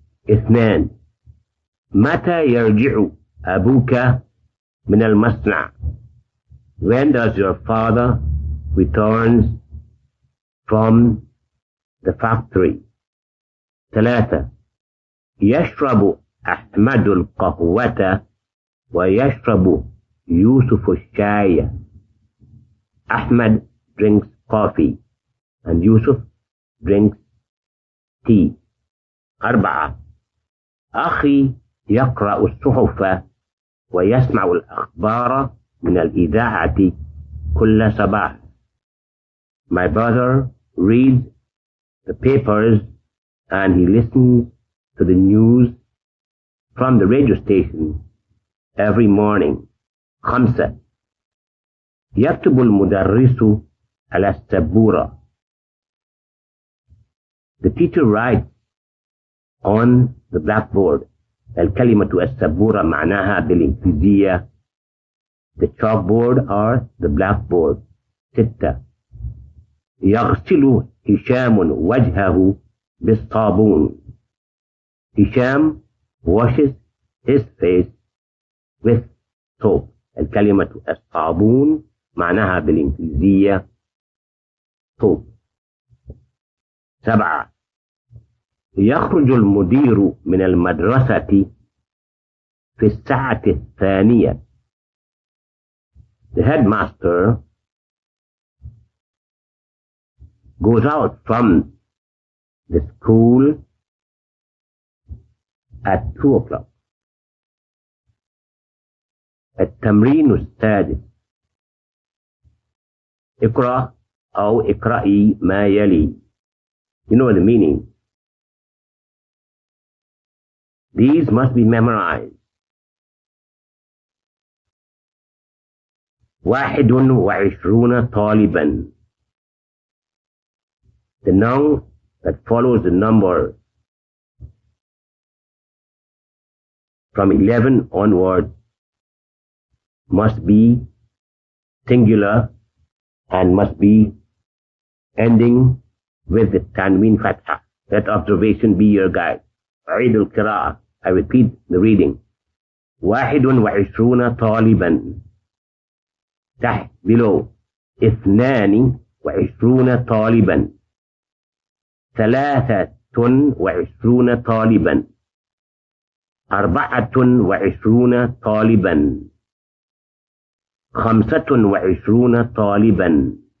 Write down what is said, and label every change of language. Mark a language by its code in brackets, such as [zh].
[ar] اثنان متى يرجع أبوك من المصنع؟ [en] When does your father return from the factory? [ar] ثلاثة يشرب أحمد القهوة ويشرب يوسف الشاي. [en] أحمد drinks coffee and يوسف drinks tea. [ar] أربعة أخي يقرأ الصحف ويسمع الأخبار من الإذاعة كل صباح. [en] My brother reads the papers and he listens to the news from the radio station every morning. [ar] خمسة يكتب المدرس على السبورة. [en] The teacher writes on the blackboard [ar] الكلمة السبورة معناها بالإنجليزية [en] the chalkboard or the blackboard ستة [ar] يغسل هشام وجهه بالصابون هشام [en] washes his face with soap [ar] الكلمة الصابون معناها بالإنجليزية soap سبعة يخرج المدير من المدرسة في الساعة الثانية. [en] The headmaster goes out from the school at 2 o'clock. [ar] التمرين السادس. اقرأ أو اقرأي ما يلي. [en] You know the meaning. These must be memorized. [ar] 21 طالباً. [en] The noun that follows the number from 11 onward must be singular and must be ending with the Tanween Fatha. Let observation be your guide. [ar] عيد القراءة. [en] I repeat the reading. [ar] 21 طالباً تحت below 22 طالباً 23 طالباً 24 طالباً 25 طالباً